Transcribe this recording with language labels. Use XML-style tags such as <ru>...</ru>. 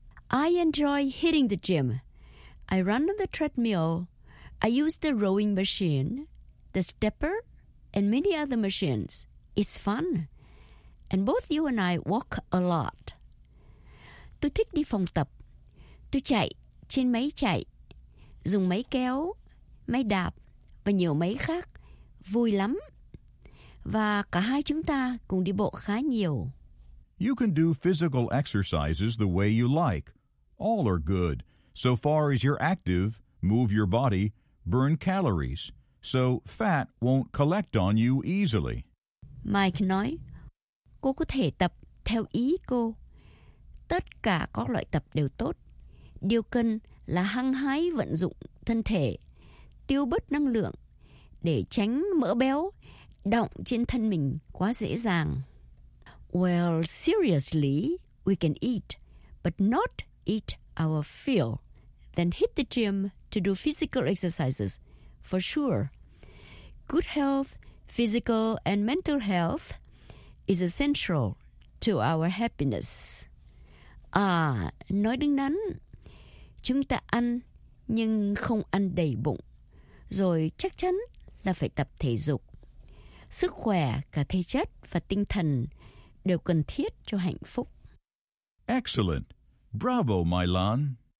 <en>I enjoy hitting the gym. I run on the treadmill. I use the rowing machine, the stepper, and many other machines. It's fun. And both you and I walk a lot.</en> <vi>Tôi thích đi phòng tập. Tôi chạy trên máy chạy, dùng máy kéo, máy đạp và nhiều máy khác. Vui lắm. Và cả hai chúng ta cùng đi bộ khá nhiều.</vi> <en>You can do physical exercises the way you like. All are good. So far as you're active, move your body, burn calories. So fat won't collect on you easily.</en> <vi>Mike nói, cô có thể tập theo ý cô. Tất cả các loại tập đều tốt. Điều cần là hăng hái vận dụng thân thể, tiêu bớt năng lượng để tránh mỡ béo đọng trên thân mình quá dễ dàng.</vi> <en>Well, seriously, we can eat, but not eat our fill, then hit the gym to do physical exercises, for sure. Good health, physical and mental health is essential to our happiness.</en> <vi>À, nói đứng đắn, chúng ta ăn nhưng không ăn đầy bụng, rồi chắc chắn là phải tập thể dục. Sức khỏe, cả thể chất và tinh thần đều cần thiết cho hạnh phúc.</vi> <en>Excellent. Bravo, Mylan.</en>